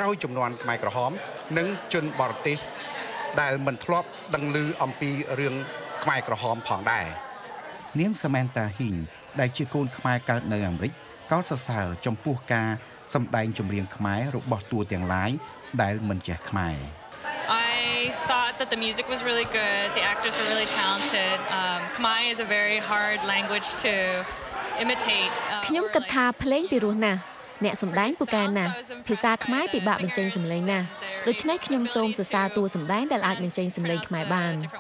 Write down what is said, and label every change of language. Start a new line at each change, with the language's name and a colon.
Khmer: រោយចំនួនខ្មែរក្រហមនិងជនបរទេសដែលមិនធ្លាប់ដឹងឮអំពីរឿងខ្មែរក្រហមផងដែរ នាងសាម៉ែនតាហ៊ីងដែលជាកូនខ្មែរកើតនៅអាមេរិកកោតសរសើរចំពោះការសម្ដែងចម្រៀងខ្មែររបស់តួទាំងឡាយដែលមិនចេះខ្មែរ
English: I thought that the music was really good the actors were really talented Khmer is a very hard language to imitate
Khmer: ខ្ញុំគិតថាភ្លេងពីរោះណាស់អ្នកសម្ដែងពូកែណាស់ភាសាខ្មែរពិបាកបញ្ចេញសម្លេងណាស់ដូច្នេះខ្ញុំសូមសរសើរតួសម្ដែងដែលអាចបញ្ចេញសម្លេងខ្មែរបាន